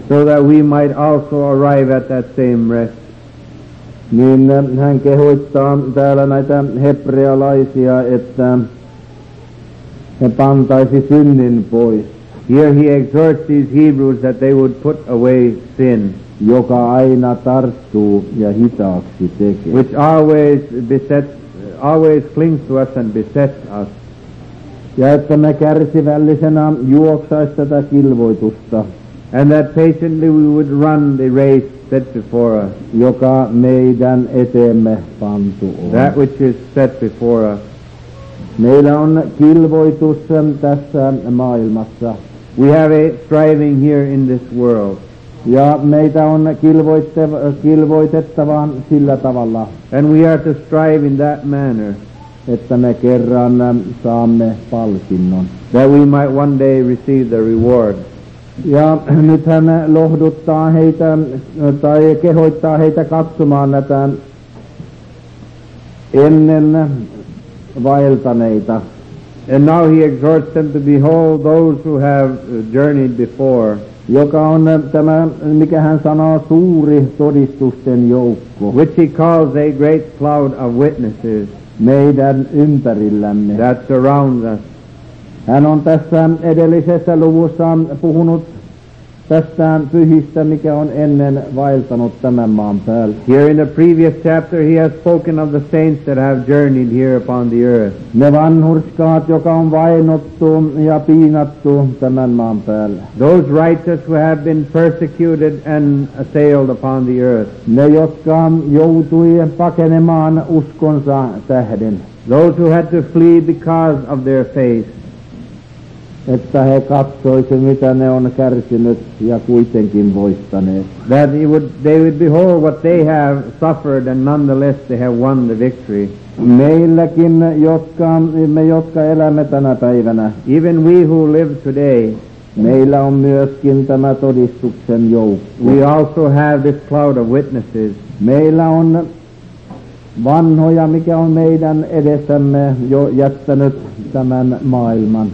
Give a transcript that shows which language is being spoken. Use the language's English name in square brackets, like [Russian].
[English] So that we might also arrive at that same rest. [Finnish] Niin hän kehoittaa täällä näitä hebrealaisia, että he pantaisi synnin pois. [English] Here he exhorts these Hebrews that they would put away sin. [Finnish] Joka aina tarttuu ja hitaaksi tekee. [English] Which always besets, always clings to us and besets us. [Finnish] Ja että me kärsivällisenä juoksaisi tätä kilvoitusta. [English] And that patiently we would run the race set before us. [Finnish] Joka meidän eteemme pantu on. [English] That which is set before us. [Finnish] Meillä on kilvoitus tässä maailmassa. [English] We have a striving here in this world. [Finnish] Ja meitä on kilvoitettava sillä tavalla. [English] And we are to strive in that manner. [Finnish] Että me kerran saamme palkinnon. [English] That we might one day receive the reward. [Finnish] Ja nyt hän lohduttaa heitä tai kehoittaa heitä katsomaan näitä ennen vaeltaneita. [English] And now he exhorts them to behold those who have journeyed before. [Finnish] Joka on tämä, mikä hän sanoo, suuri todistusten joukko. [English] Which he calls a great cloud of witnesses. [Finnish] Meidän ympärillämme. [English] That surrounds us. [Finnish] Hän on tässä edellisessä luvussa puhunut tästä pyhistä, mikä on ennen vaeltanut tämän maan päällä. [English] Here in the previous chapter he has spoken of the saints that have journeyed here upon the earth. [Finnish] Ne vanhurskaat, joka on vainottu ja piinattu tämän maan päällä. [English] Those righteous who have been persecuted and assailed upon the earth. [Finnish] Ne, jotka joutui pakenemaan uskonsa tähden. [English] Those who had to flee because of their faith. [Finnish] Että he katsoisivat, mitä ne on kärsinyt ja kuitenkin voittaneet. [English] That they would behold what they have suffered and nonetheless they have won the victory. [Finnish] Meilläkin, me jotka elämme tänä päivänä. [English] Even we who live today. [Finnish] Meillä on myöskin tämä todistuksen joukko. [English] We also have this cloud of witnesses. [Finnish] Meillä on vanhoja, mikä on meidän edessämme jo jättänyt tämän maailman.